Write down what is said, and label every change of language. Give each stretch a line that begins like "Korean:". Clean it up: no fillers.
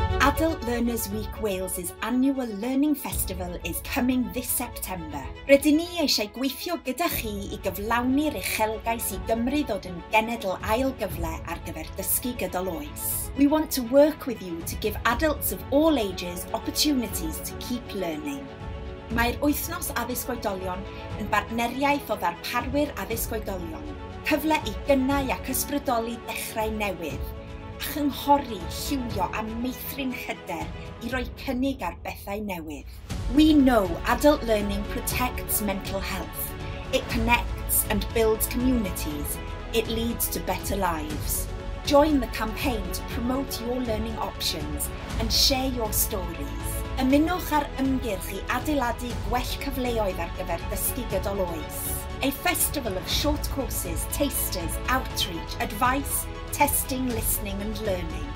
English: Adult Learners Week Wales's annual learning festival is coming this September.
Welsh: Rydyn ni eisiau gweithio gyda chi I gyflawni'r uchelgais I Gymru ddod yn genedl ail gyfle ar gyfer dysgu gydol oes.
English: We want to work with you to give adults of all ages opportunities to keep learning.
Welsh: Mae'r Wythnos Addysg Oedolion yn bartneriaeth o ddarparwyr addysg oedolion, cyfle I gynnau ac ysbrydoli dechrau newydd, a chynghori, lliwio a meithrin hyder I roi cynnig ar bethau newydd.
English: We know adult learning protects mental health. It connects and builds communities. It leads to better lives. Join the campaign to promote your learning options and share your stories.
Welsh: Ymunwch ar ymgyrch I adeiladu gwell cyfleoedd ar gyfer dysgu gydol oes.
English: A festival of short courses, tasters, outreach, advice, testing, listening and learning.